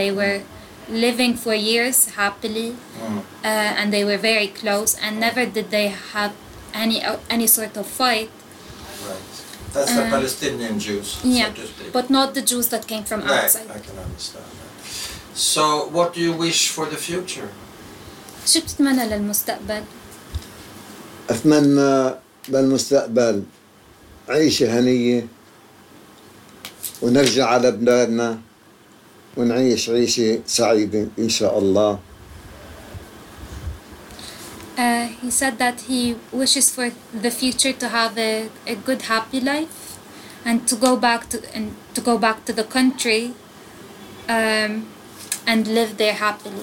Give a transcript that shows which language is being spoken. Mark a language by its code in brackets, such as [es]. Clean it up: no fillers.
[en] They were living for years happily, and they were very close, and never did they have any sort of fight. Right. That's the Palestinian Jews. Yeah, so to speak. But not the Jews that came from outside. I can understand that. So what do you wish for the future? [ar] شو بتتمنى للمستقبل؟ أتمنى للمستقبل عيشة هنية ونرجع على بلادنا ونعيش عيشة سعيدة إن شاء الله. [en] He said that he wishes for the future to have a good happy life and to go back to and to go back to the country and live there happily.